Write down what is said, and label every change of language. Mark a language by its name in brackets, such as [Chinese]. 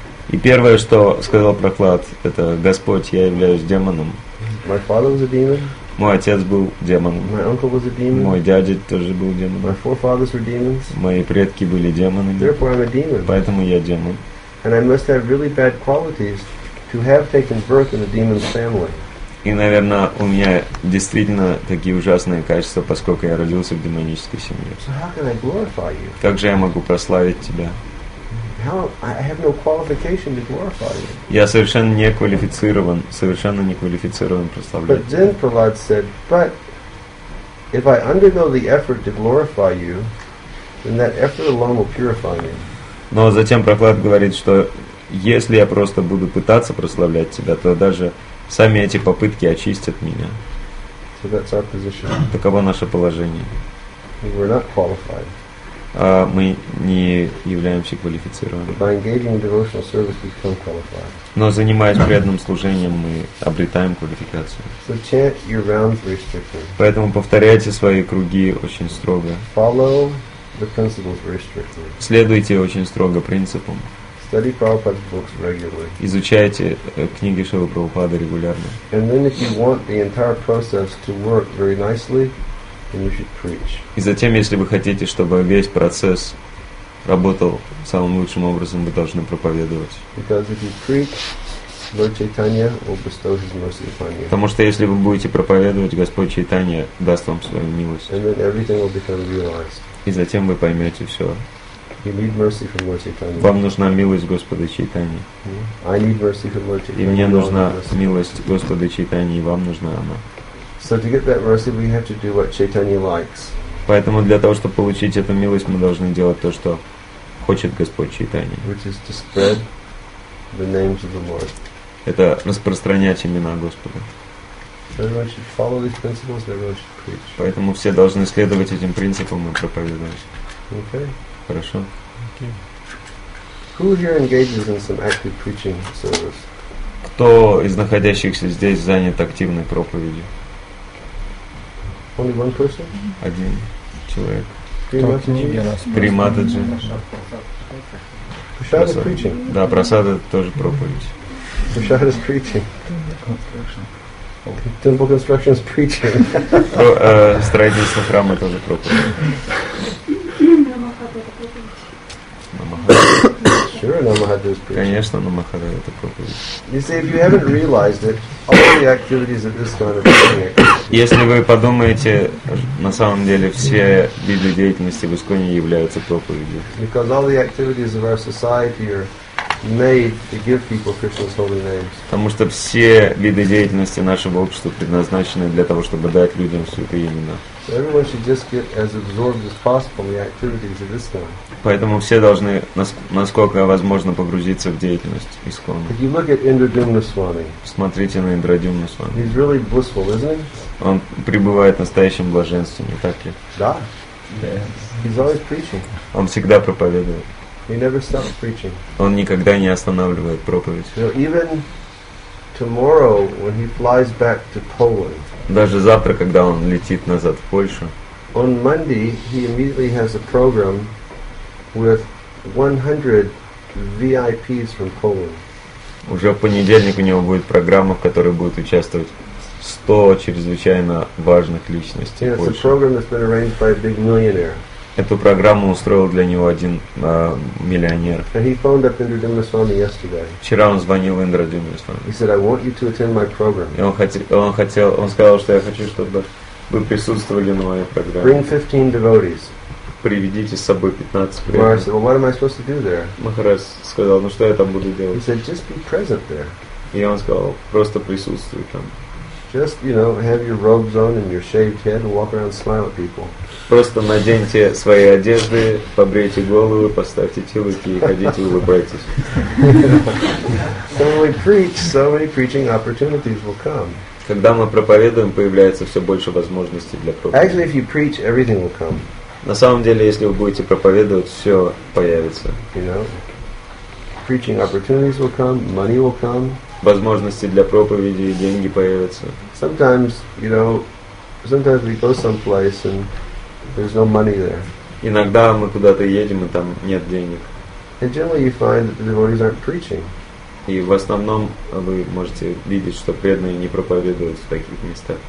[Russian] И первое, что сказал Прахлад, это: Господь, я являюсь демоном. [English] My father was a demon. [Russian] Мой отец был демоном. [English] My uncle was a demon. [Russian] Мой дядя тоже был демоном. [English] My forefathers were demons. [Russian] Мои предки были демонами. [English] Therefore, I'm a demon. [Russian] Поэтому я демон. [English] And I must have really bad qualities to have taken birth in a demon's family. [Russian] И, наверное, у меня действительно такие ужасные качества, поскольку я родился в демонической семье. [English] So how can I glorify you? [Russian] Как же я могу прославить тебя? [English] How, I have no qualification to glorify you. [Russian] Я совершенно не квалифицирован прославлять. [English] But then Prahlad said, but if I undergo the effort to glorify you, then that effort alone will purify me. [Russian] Но затем Прохлад говорит, что если я просто буду пытаться прославлять тебя, то даже сами эти попытки очистят меня. [English] So that's our position. [Russian] Таково наше положение. [English] We're not qualified. [Russian] Мы не являемся квалифицированными. [English] By engaging in devotional service, we become qualified. [Russian] Но занимаясь преданным служением, мы обретаем квалификацию. [English] So chant your rounds very strictly. [Russian] Поэтому повторяйте свои круги очень строго. [English] Follow the principles very strictly. [Russian] Следуйте очень строго принципам. [English] Study Prabhupada's books regularly. [Russian] Изучайте книги Шрилы Прабхупады регулярно. [English] And then if you want the entire process to work very nicely, then you should preach. [Russian] И затем, если вы хотите, чтобы весь процесс работал самым лучшим образом, вы должны проповедовать. [English] Because if you preach, Lord Chaitanya will bestow his mercy upon you. [Russian] Потому что если вы будете проповедовать, Господь Чайтанья даст вам свою милость. [English] And then everything will become realized. [Russian] И затем вы поймете все. [English] You need mercy from Lord Chaitanya. [Russian] Вам нужна милость Господа Чайтаньи. [English] I need mercy from Lord Chaitanya. [Russian] И мне нужна милость Господа Чайтаньи, и вам нужна она. [English] So to get that mercy, we have to do what Chaitanya likes. [Russian] Поэтому для того, чтобы получить эту милость, мы должны делать то, что хочет Господь Чайтанья. [English] Which is to spread the names of the Lord. [Russian] Это распространять имена Господа. [English] Everyone should follow these principles. Everyone should preach. [Russian] Поэтому все должны следовать этим принципам и проповедовать. [English] Okay. [Russian] Хорошо. [English] Okay. Who here engages in some active preaching service? [Russian] Кто из находящихся здесь занят активной проповедью? [English] Only one person? [Russian] Один человек. Три матаджи. [English] Prasada preaching. [Russian] Да, прасада тоже проповедь. [English] Prasada is preaching. Okay. Temple construction is preaching. [Russian] Строительство храма тоже проповедь. Конечно, намахада это проповедь. [English] You see, if you haven't realized it, all the activities of this kind of thing [Russian] Если вы подумаете, на самом деле все виды деятельности в Исконе являются проповедью. [English] Because all the activities of our society are made to give people Krishna's holy names. [Russian] Потому что все виды деятельности нашего общества предназначены для того, чтобы дать людям святые имена. [English] So everyone should just get as absorbed as possible in the activities of Islam. [Russian] Поэтому все должны насколько возможно погрузиться в деятельность Искона. [English] If you look at Indradyumna Swami, [Russian] смотрите на Индрадюмну Свами. [English] He's really blissful, isn't he? [Russian] Он пребывает в настоящем блаженстве, не так ли? Да. [English] He's always preaching. [Russian] Он всегда проповедует. [English] He never stops preaching. [Russian] Он никогда не останавливает проповедь. [English] So even tomorrow, when he flies back to Poland. [Russian] Даже завтра, когда он летит назад в Польшу. [English] On Monday, he immediately has a program with 100 VIPs from Poland. [Russian] Уже в понедельник у него будет программа, в которой будет участвовать 100 чрезвычайно важных личностей. [English] Yeah, it's a program that's been arranged by a big millionaire. [Russian] Эту программу устроил для него один миллионер. [English] And he phoned up Indradyumna Swami yesterday. [Russian] Вчера он звонил Индрадюмне Свами. [English] He said, "I want you to attend my program." [Russian] И он сказал, что я хочу, чтобы вы присутствовали на моей программе. [English] Bring 15 devotees. [Russian] Приведите с собой 15 преданных. [English] Maharaj said, "Well, what am I supposed to do there?" [Russian] Maharaj сказал, ну что я там буду делать? [English] He said, "Just be present there." [Russian] И он сказал, просто присутствуй там. [English] Just, you know, have your robes on and your shaved head and walk around and smile at people. [Russian] Просто наденьте свои одежды, побрейте голову, поставьте тилки и ходите улыбайтесь. [English] So we preach, so many preaching opportunities will come. [Russian] Когда мы проповедуем, появляется все больше возможностей для проповеди. [English] Actually, if you preach, everything will come. [Russian] На самом деле, если вы будете проповедовать, все появится. [English] You know, preaching opportunities will come, money will come. [Russian] Возможности для проповеди и деньги появятся. [English] Sometimes, you know, sometimes we go someplace and there's no money there. [Russian] Иногда мы куда-то едем и там нет денег. [English] And generally you find that the devotees aren't preaching. [Russian] И в основном вы можете видеть, что преданные не проповедуют в таких местах.